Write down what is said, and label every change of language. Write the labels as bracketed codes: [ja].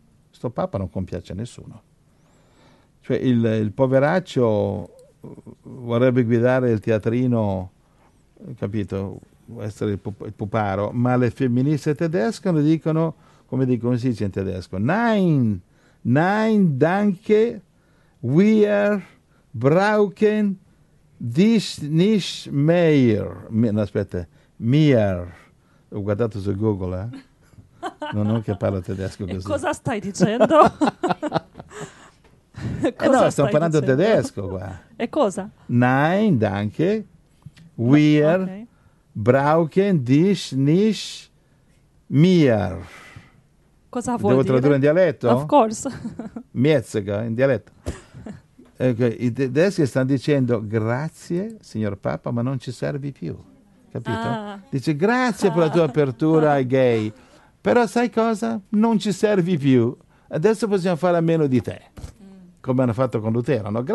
[it] Sto Papa non compiace nessuno. Cioè, il poveraccio vorrebbe guidare il teatrino, capito? Essere il puparo, ma le femministe tedesche lo dicono, come si dice in tedesco? [de] Nein, nein, danke, wir brauchen dich nicht mehr. [it] No, aspetta, mehr. Ho guardato su Google, eh? Non è che parlo tedesco così. Cosa stai dicendo? Cosa no, stiamo parlando dicendo? Tedesco qua. E cosa? [de] Nein, danke. Wir okay. brauchen dich nicht mehr. [it] Cosa vuol Devo dire? Devo tradurre in dialetto? [en] Of course. [it] Mietzega, in dialetto. Okay, i tedeschi stanno dicendo grazie, signor Papa, ma non ci servi più. Capito? Ah. Dice grazie per la tua apertura ai gay, però sai cosa? Non ci servi più. Adesso possiamo fare a meno di te, come hanno fatto con Lutero. No?